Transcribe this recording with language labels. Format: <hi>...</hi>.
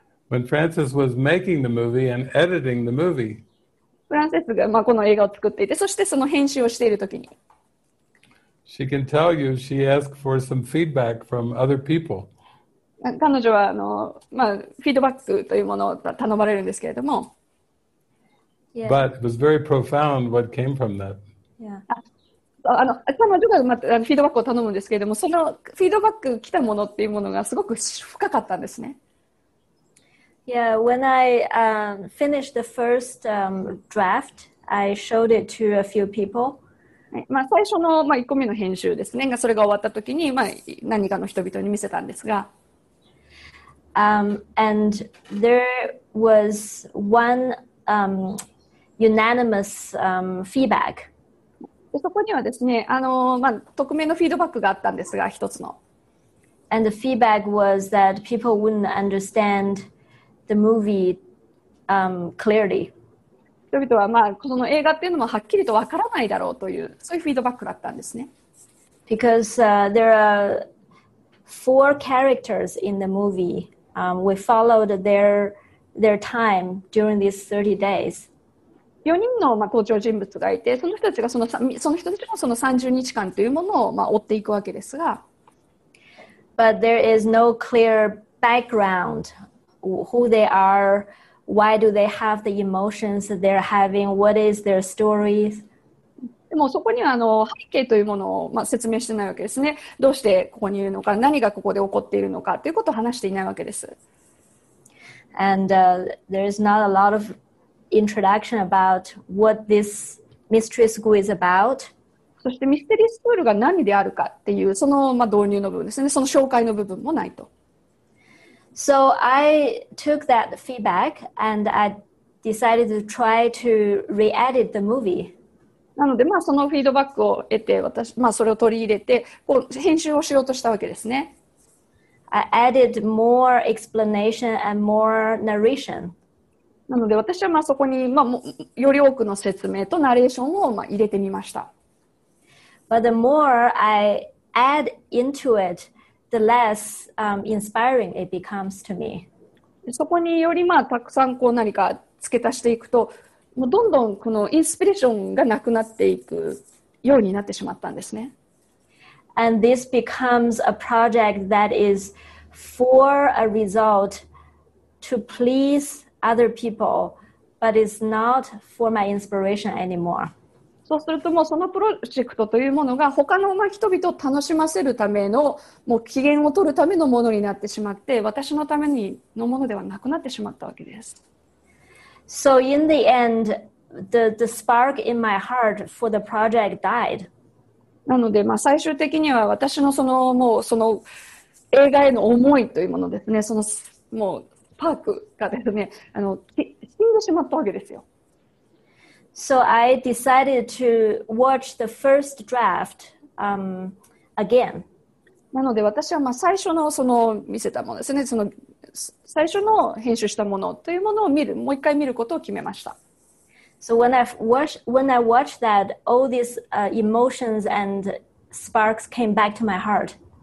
<en>When Francis was making the movie and editing the movie,</en> <ja>フランシスが、まあ、この映画を作っていて、そしてその編集をしているときに、</ja> <en>she can tell you she asked for some feedback from other people.</en> <ja>彼女はまあ、フィードバックというものを頼まれるんですけれども、</ja> <en>Yeah. But it was very profound what came from that. Yeah.</en> <ja>彼女が、まあ、フィードバックを頼むんですけれども、そのフィードバック来たものっていうものがすごく深かったんですね。</ja> <en>Yeah, when I finished the first draft, I showed it to a few people.</en> <ja>まあ、最初の、まあ、1個目の編集ですね、それが終わったときに、まあ、何かの人々に見せたんですが。</ja> <en>And there was one unanimous feedback.</en> <ja>でそこにはですね、まあ、匿名のフィードバックがあったんですが、一つの。</ja> <en>And the feedback was that people wouldn't understand the movie clearly.</en> <ja>人々は、まあ、この映画っていうのもはっきりとわからないだろうという、そういうフィードバックだったんですね。</ja> <en>Because there are four characters in the movie. We followed their time during these 30 days.</en> <ja>4人の、まあ、登場人物がいて、その人たちがその人たちのその30日間というものを、まあ、追っていくわけですが。</ja> <en>But there is no clear background. Who they are, why do they have the emotions that they're having, what is their story?</en> <ja>でもそこには背景というものを、まあ、説明してないわけですね。どうしてここにいるのか、何がここで起こっているのかということを話していないわけです。</ja> <en>And there is not a lot of introduction about what this mystery school is about.</en> <ja>そしてミステリースクールが何であるかっていう、その、まあ、導入の部分ですね、その紹介の部分もないと。</ja> <en>So I took that feedback and I decided to try to re-edit the movie.</en> <ja>なので、まあ、そのフィードバックを得て私、まあ、それを取り入れてこう編集をしようとしたわけですね。</ja> <en>I added more explanation and more narration.</en> <ja>なので私はまあそこに、まあ、より多くの説明とナレーションをまあ入れてみました。</ja> <en>But the more I add into it, the less inspiring it becomes to me.</en> <ja>そこによりまあたくさんこう何か付け足していくと、もうどんどんこのインスピレーションがなくなっていくようになってしまったんですね。</ja> <en>And this becomes a project that is for a result to please other people, but it's not for my inspiration anymore.</en> <ja>そうするともうそのプロジェクトというものが他の人々を楽しませるためのもう機嫌を取るためのものになってしまって私のためのものではなくなってしまったわけです。</ja> <en>So in the end, the spark in my heart for the project died.</en> <ja>なので、まあ、最終的には私のその、もうその映画への思いというものですね。そのもうスパークがですね、死んでしまったわけですよ。</ja> <en>So I decided to watch the first draft, again.</en> <ja>なので私はまあ最初のその見せたものですね。その最初の編集したものというものを見る、もう一回見ることを決めました。</ja> <en>So when I watched that, all these emotions and sparks came back to my heart.</en>